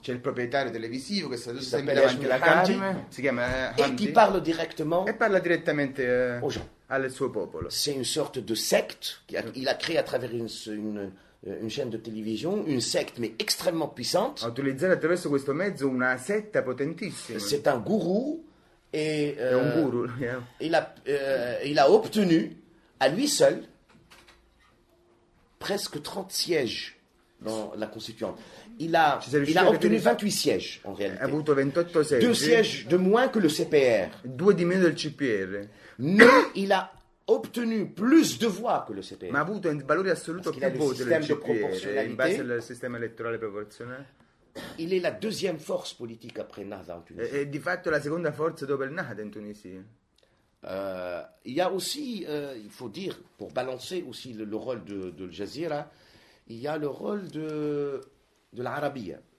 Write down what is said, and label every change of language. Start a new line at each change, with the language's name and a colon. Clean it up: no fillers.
French: C'est le propriétaire télévisif qui est toujours
Italian: sempre davanti alla camera. Si chiama Hamdi.
French: Et qui parle directement.
Italian: E parla direttamente
French: aux gens.
Italian: Al suo popolo.
French: C'est une sorte de secte qu'il a créé à travers une chaîne de télévision, une secte mais extrêmement puissante.
Italian: Ha utilizzato attraverso questo mezzo una setta potentissima.
French: C'est un gourou et un gourou, yeah. Il a obtenu à lui seul presque 30 sièges dans la Constituante. Il a obtenu 28 sièges en réalité.
Italian: Ha avuto 28 seggi.
French: Deux sièges de moins que le CPR.
Italian: Due di meno del CPR.
French: Mais il a obtenu plus de voix que le CPR.
Italian: Ma ha avuto un valore assoluto più voto del CPR in base al sistema elettorale proporzionale.
French: Il est la deuxième force politique après Nahda en Tunisie.
Italian: E di fatto la seconda forza dopo il Nahda in Tunisia.
French: Il y a aussi, il faut dire, pour balancer aussi le rôle de Jazeera, il y a le rôle de l'Arabia.